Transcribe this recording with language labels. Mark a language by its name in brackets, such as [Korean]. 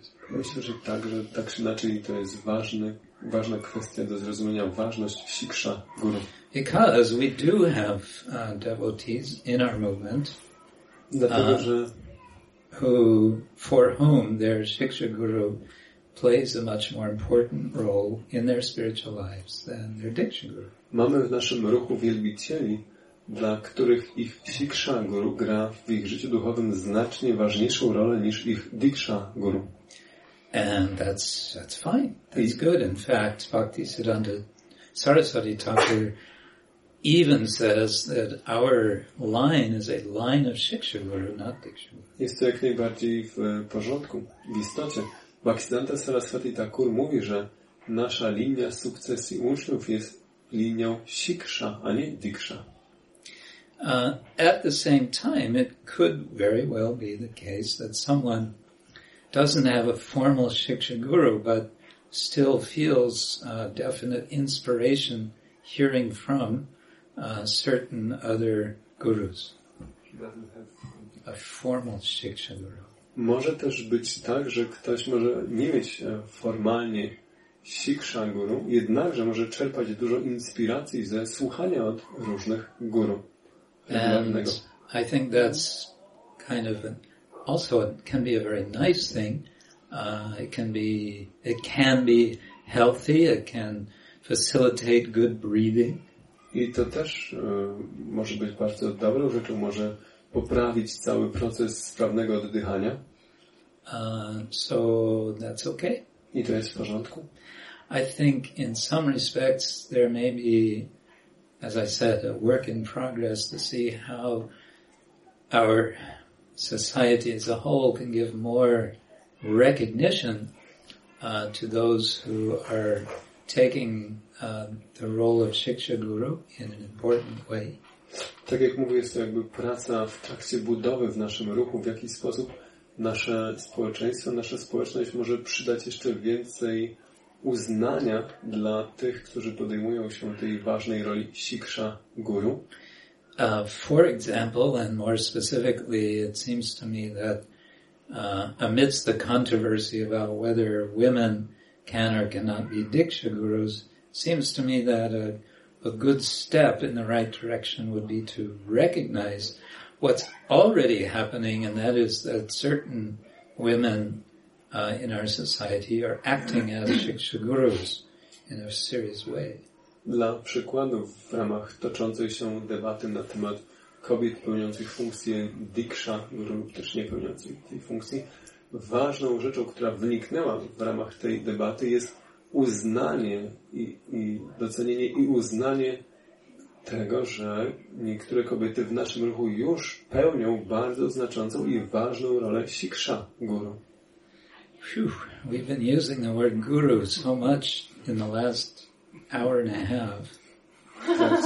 [Polish] Myślę, że tak, że tak czy inaczej to jest ważna kwestia do zrozumienia, ważność Shiksha Guru. [English] Because we do have devotees in our movement, who for whom their Shiksha Guru plays a much more important role in their spiritual lives than their Diksha Guru. [Polish] Mamy w naszym ruchu wielbicieli, dla których ich Shiksha Guru gra w ich życiu duchowym znacznie ważniejszą rolę niż ich Diksha Guru. [English] And that's fine. That's good. In fact, Bhaktisiddhanta Saraswati Thakur even says that our line is a line of Shiksha Guru, not Diksha Guru. [Polish] Jest to jak najbardziej w porządku, w istocie. Bhaktisiddhanta Saraswati Thakur mówi, że nasza linia sukcesji uczniów jest linią Shiksha, a nie Diksha. [English] At the same time, it could very well be the case that someone doesn't have a formal Shiksha Guru, but still feels definite inspiration hearing from certain other gurus. He doesn't have a formal Shiksha Guru. [Polish] Może też być tak, że ktoś może nie mieć formalnie Shiksha Guru, jednakże może czerpać dużo inspiracji ze słuchania od różnych guru. [English] And I think that's kind of also it can be a very nice thing. It can be healthy, it can facilitate good breathing. [Polish] I to też może być bardzo dobrą rzeczą, może poprawić cały proces sprawnego oddychania. [English] So that's okay. [Polish] I to jest w porządku. [English] I think in some respects there may be, as I said, a work in progress to see how our society as a whole can give more recognition to those who are taking the role of Shiksha Guru in an important way. [Polish] Tak jak mówię, jest to jakby praca w trakcie budowy w naszym ruchu, w jakiś sposób nasze społeczeństwo, nasza społeczność może przydać jeszcze więcej uznania dla tych, którzy podejmują się tej ważnej roli Shiksha Guru. [English] For example, and more specifically, it seems to me that amidst the controversy about whether women can or cannot be Diksha Gurus, seems to me that a good step in the right direction would be to recognize what's already happening, and that is that certain women in our society are acting as Shiksha Gurus in a serious way. [Polish] Dla przykładu, w ramach toczącej się debaty na temat kobiet pełniących funkcję Diksha Guru, też nie pełniących tej funkcji, ważną rzeczą, która wyniknęła w ramach tej debaty, jest uznanie i docenienie i uznanie tego, że niektóre kobiety w naszym ruchu już pełnią bardzo znaczącą i ważną rolę Shiksha Guru. [English] Phew, we've been using the word guru so much in the last hour and a half.